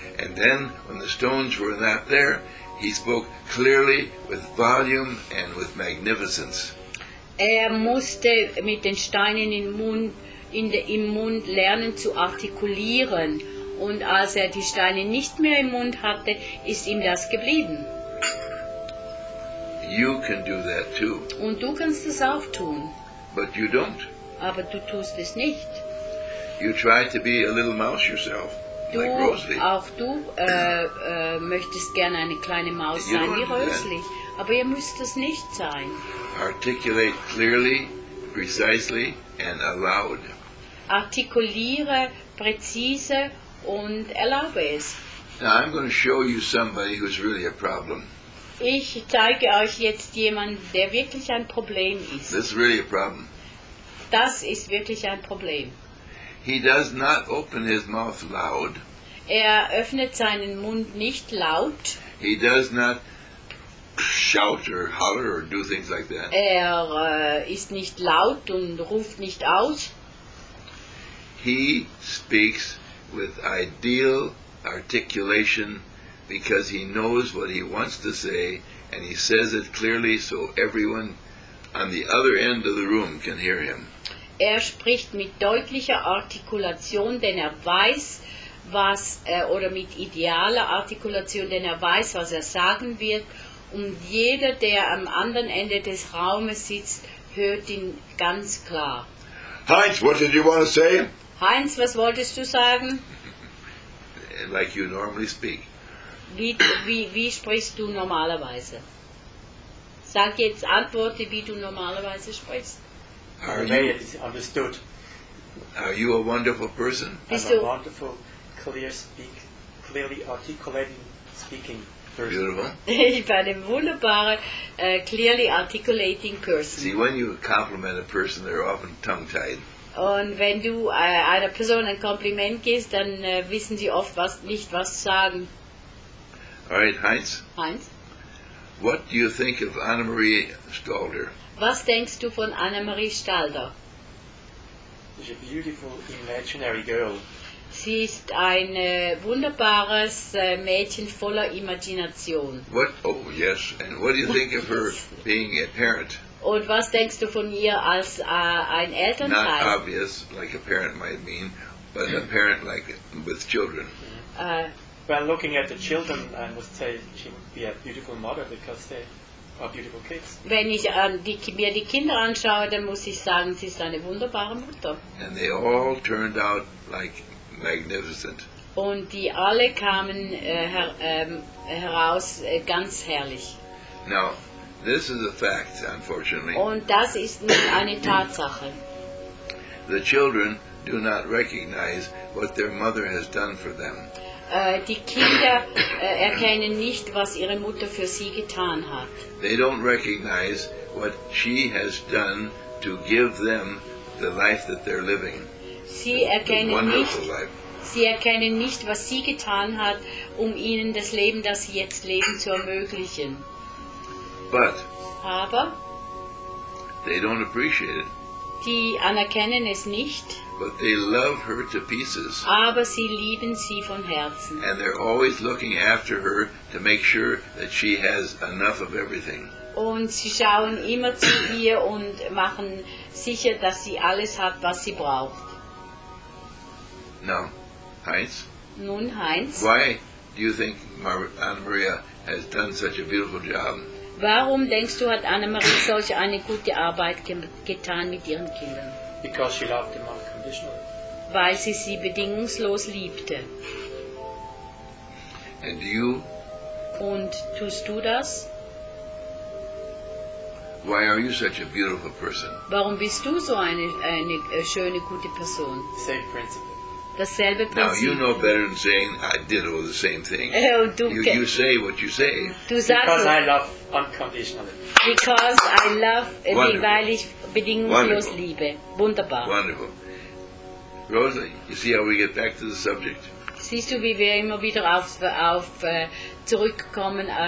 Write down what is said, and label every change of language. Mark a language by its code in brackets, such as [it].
[en] And then when the stones were not there, he spoke clearly with volume and with magnificence. [de] Er musste mit den Steinen im Mund lernen zu artikulieren. Und als er die Steine nicht mehr im Mund hatte, ist ihm das geblieben. [en] You can do that too. [de] Und du kannst es auch tun. [en] But you don't. [de] Aber du tust es nicht. [en] You try to be a little mouse yourself. [de] Du, [en] like Rosli. [de] Auch du möchtest gerne eine kleine Maus [en] you [de] sein, wie Rosli. Aber ihr müsst es nicht sein. [en] Articulate clearly, precisely and aloud. [de] Artikuliere präzise und erlaube es. [en] Now I'm going to show you somebody who's really a problem. [de] Ich zeige euch jetzt jemanden, der wirklich ein Problem ist. [en] This is really a problem. [de] Das ist wirklich ein Problem. [en] He does not open his mouth loud. [de] Er öffnet seinen Mund nicht laut. [en] He does not shout or holler or do things like that. [de] Er ist nicht laut und ruft nicht aus. [en] He speaks with ideal articulation because he knows what he wants to say and he says it clearly so everyone on the other end of the room can hear him. [de] Er spricht mit deutlicher Artikulation, denn er weiß, was oder mit idealer Artikulation, denn er weiß, was er sagen wird und jeder, der am anderen Ende des Raumes sitzt, hört ihn ganz klar. [en] Heinz, what did you want to say? [de] Heinz, was wolltest du sagen? [en] Like you normally speak. [de] Wie sprichst du normalerweise? Sag jetzt, antworte, wie du normalerweise sprichst. [en] Understood. Are you a wonderful person? Bist I'm a wonderful, clearly articulating speaking person. Beautiful. [de] Ich bin eine wunderbare, [en] clearly articulating person. See, when you compliment a person, they're often tongue-tied. [de] Und wenn du einer Person ein Kompliment gibst, dann wissen sie oft nicht was sagen. [en] All right, Heinz. [de] Heinz. [en] What do you think of Anna-Marie Stalder? [de] Was denkst du von Anna-Marie Stalder? [en] She's a beautiful imaginary girl. [de] Sie ist ein wunderbares Mädchen voller Imagination. [en] What? Oh, yes. And what do you think of her being a parent? [de] Und was denkst du von ihr als ein Elternteil? [en] Not obvious, like a parent might mean, but a parent like with children. Well, looking at the children, I must say she would be a beautiful mother because they are beautiful kids. [de] Wenn ich mir die Kinder anschaue, dann muss ich sagen, sie ist eine wunderbare Mutter. [en] And they all turned out like magnificent. [de] Und die alle kamen heraus ganz herrlich. [en] Now, this is a fact, unfortunately. [de] Und das ist nicht eine Tatsache. [en] The children do not recognize what their mother has done for them. [de] Die Kinder erkennen nicht, was ihre Mutter für sie getan hat. [en] They don't recognize what she has done to give them the life that they're living. [de] Sie erkennen nicht, was sie getan hat, um ihnen das Leben, das sie jetzt leben, zu ermöglichen. [en] But [de] aber [en] they don't appreciate it. [de] Die anerkennen es nicht. [en] But they love her to pieces. [de] Aber sie lieben sie von Herzen. [en] And they're always looking after her to make sure that she has enough of everything. [de] Und sie schauen immer zu ihr und machen sicher, dass sie alles hat, was sie braucht. [en] Now, Heinz. [de] Nun, Heinz. [en] Why do you think Anna Maria has done such a beautiful job? [de] Warum denkst du, hat Anna Maria solch eine gute Arbeit getan mit ihren Kindern? [en] Because she loved them unconditionally. [de] Weil sie sie bedingungslos liebte. [en] And you? [de] Und tust du das? [en] Why are you such a beautiful person? [de] Warum bist du so eine schöne, gute Person? [en] Same principle. [de] Dasselbe Prinzip. [en] Now you know better than saying I did all the same thing. You say what you say. Because I love unconditionally. Because I love, [de] weil ich bedingungslos [en] Wonderful. [de] Liebe. Wunderbar. [en] Wonderful. Rosalie, you see how we get back to the subject? [de] Siehst du, wie wir immer wieder auf zurückkommen